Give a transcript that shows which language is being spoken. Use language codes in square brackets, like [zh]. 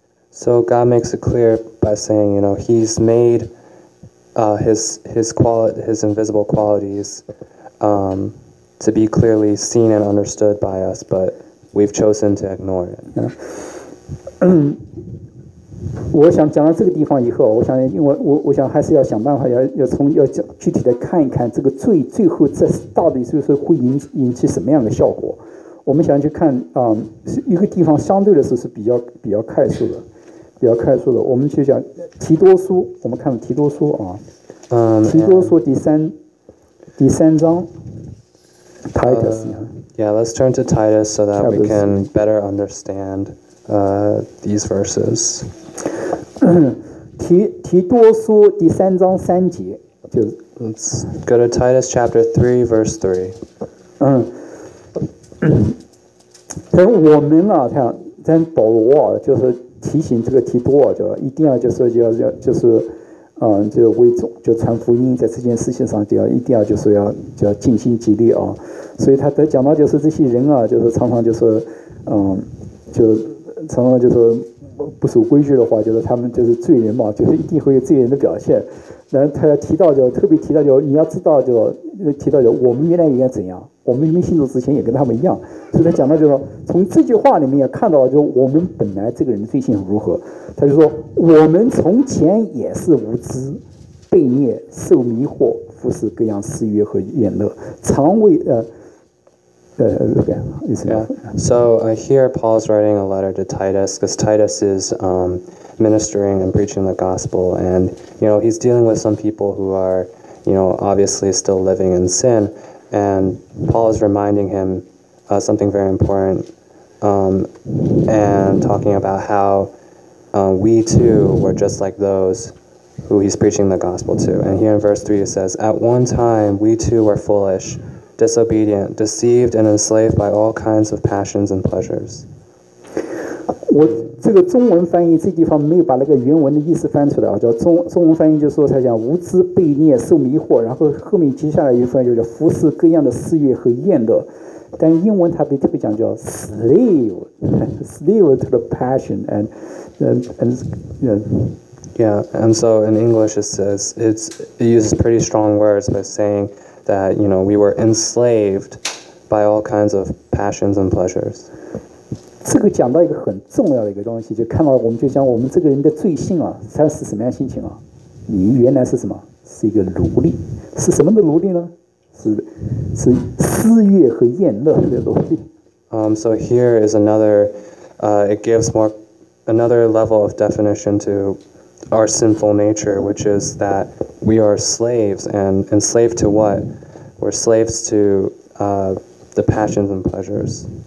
[en] So God makes it clear by saying, you know, He's made his invisible qualities to be clearly seen and understood by us, but we've chosen to ignore it. [zh] 我想讲到这个地方以后，我想因为我想还是要想办法要从要具体的看一看这个罪最后这到底就是会引起什么样的效果。我们想去看一个地方相对的是比较快速的。比较快速的，我们就讲提多书，我们看提多书啊，提多书第三章 ，Titus。 [en] Yeah, let's turn to Titus so that we can better understand these verses. [zh] 提多书第三章三节，就 [en] Let's go to Titus chapter 3 verse 3. [zh] 我们啊，像咱保罗啊，就是。提醒这个提多啊，就一定要就是就为众就传福音，在这件事情上就要一定要就是要就要尽心竭力啊。所以他在讲到就是这些人啊，就是常常就是就常常就是不守规矩的话，就是他们就是罪人嘛，就是一定会有罪人的表现。然后他要提到就特别提到就你要知道就提到就我们原来应该怎样，我们没信主之前也跟他们一样。所以他讲到就是从这句话里面也看到了，就我们本来这个人的罪性如何。他就说我们从前也是无知被虐受迷惑服侍各样私欲和宴乐，常为 [en] So here Paul's writing a letter to Titus because Titus is ministering and preaching the gospel, and you know he's dealing with some people who are, you know, obviously still living in sin, and Paul is reminding him something very important, and talking about how we too were just like those who he's preaching the gospel to, and here in verse 3 it says, "At one time we too were foolish." Disobedient, deceived, and enslaved by all kinds of passions and pleasures. [zh] 我这个中文翻译这地方没有把那个原文的意思翻出来啊，叫中文翻译就是说他讲无知、被虐、受迷惑，然后后面接下来一翻译就是服侍各样的私欲和厌乐。但英文它被特别讲叫 [en] slave to the passion and so in English it says it uses pretty strong words by saying. That you know, we were enslaved by all kinds of passions and pleasures. [zh] 这个讲到一个很重要的一个东西，就看到我们就讲我们这个人的罪性啊，他是什么样心情啊？你原来是什么？是一个奴隶，是什么的奴隶呢？是私欲和宴乐的奴隶。 [en] So here is another, it gives more another level of definition to. Our sinful nature, which is that we are slaves, and enslaved to what? We're slaves to the passions and pleasures.